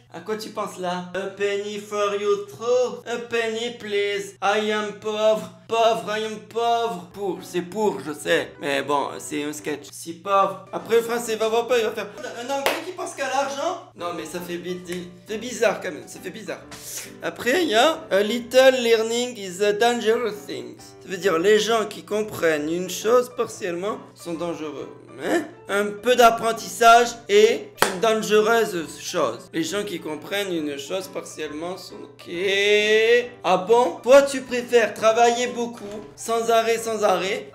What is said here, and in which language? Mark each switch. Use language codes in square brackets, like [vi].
[fr] À quoi tu penses là? [en] A penny for you throw. A penny please. I am [fr] pauvre. Pauvre, I am pauvre. Pour, c'est pour, je sais. Mais bon, c'est un sketch. Si pauvre. Après le français, va voir pas, il va faire... Un anglais qui pense qu'à l'argent? Non mais ça fait bizarre quand même, ça fait bizarre. Après il y a... [en] A little learning is a dangerous thing. [fr] Ça veut dire les gens qui comprennent une chose partiellement sont dangereux. Hein? Un peu d'apprentissage est une dangereuse chose. Les gens qui comprennent une chose partiellement sont ok. Ah bon? Toi, tu préfères travailler beaucoup, sans arrêt.